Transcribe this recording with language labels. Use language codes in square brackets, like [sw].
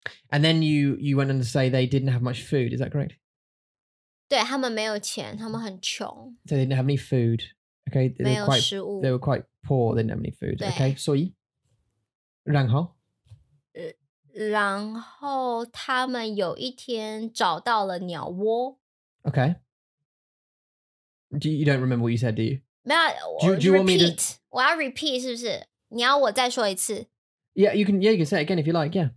[en] And then you went on to say they didn't have much food, is that correct? [zh] 对,他们没有钱,他们很穷. [en] So they didn't have any food, okay? They were quite poor, they didn't have any food, okay? [zh] 所以,然后? 然后他们有一天找到了鸟窝. [en] Okay. You don't remember what you said, do you? [zh] 没有, [en] do you want me to... [zh] 我要repeat,是不是?你要我再说一次? [en] Yeah, you can say it again if you like, yeah.